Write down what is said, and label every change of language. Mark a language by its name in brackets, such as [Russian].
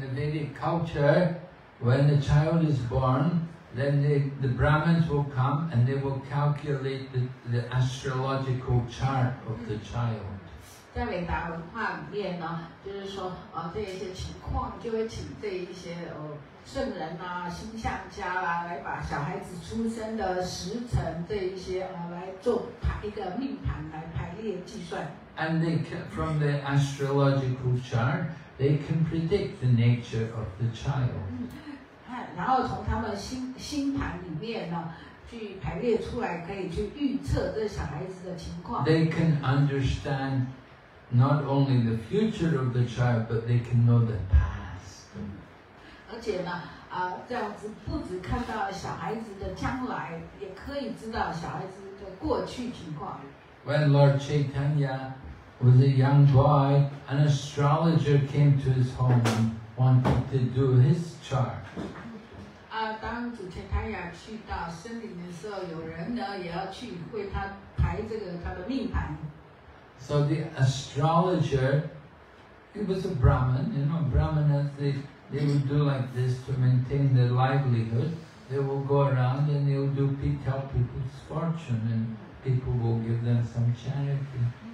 [English] the Vedic culture, when the child is born, then the Brahmins will come and they will calculate the astrological chart of the child. [Chinese] 在伟达文化里面呢，就是说，这些情况就会请这一些圣人啊、星象家啦、啊，来把小孩子出生的时辰这一些来做排一个命盘来排列计算。 [English] And they can, from the astrological chart, they can predict the nature of the child. [Chinese] 然后从他们星盘里面呢，去排列出来，可以去预测这小孩子的情况。 [English] They can understand not only the future of the child, but they can know the past. [Chinese] 而且呢，这样子不只看到小孩子的将来，也可以知道小孩子的过去情况。 [English] When Lord Chaitanya was a young boy, an astrologer came to his home and wanted to do his chart. [Chinese] 当主钱坦雅去到森林的时候，有人呢也要去为他排这个他的命盘。 [English] So the astrologer, he was a Brahmin, you know, Brahmanas, they would do like this to maintain their livelihood. They will go around and they will tell people's fortune and people will give them some charity.